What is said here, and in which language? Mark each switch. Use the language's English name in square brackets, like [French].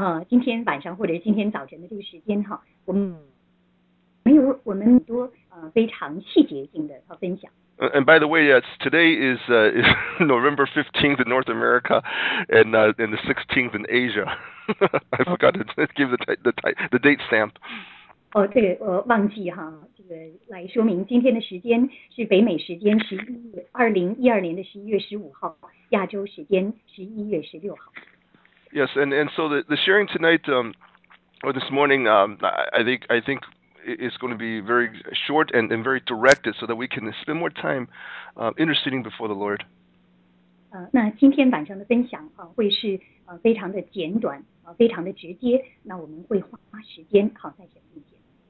[Chinese] 今天晚上或者今天早晨的这个时间哈，我们没有我们很多非常细节性的分享。 [English] And by the way, yes, today is November 15th in North America, and the 16th in Asia. I forgot to give the date stamp. [Chinese] 哦，对，我忘记哈，这个来说明今天的时间是北美时间2012年的11月15号，亚洲时间11月16号。 [English] Yes, and so the sharing tonight or this morning, I think it's going to be very short and very directed, so that we can spend more time interceding before the Lord. [Chinese] 那今天晚上的分享啊，会是非常的简短啊，非常的直接。那我们会花时间好在神面前。